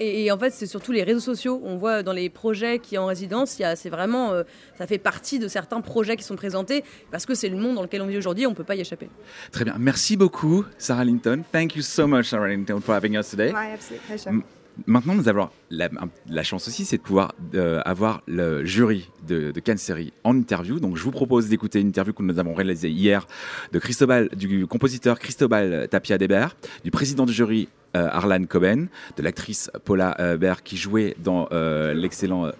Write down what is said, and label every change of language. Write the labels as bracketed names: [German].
[French] Et en fait, c'est surtout les réseaux sociaux. On voit dans les projets qui en résidence, c'est vraiment, ça fait partie de certains projets qui sont présentés parce que c'est le monde dans lequel on vit aujourd'hui. On peut pas y échapper. Très bien. Merci beaucoup, Sarah Linton. [English] Thank you so much, Sarah Linton, for having us today. My absolute pleasure. [French] Maintenant, nous avons la chance aussi, c'est de pouvoir avoir le jury de Cannes Série en interview. Donc, je vous propose d'écouter une interview que nous avons réalisée hier de Cristobal, du compositeur Cristobal Tapia Deber, du président du jury Harlan Coben, de l'actrice Paula Baer qui jouait dans l'excellent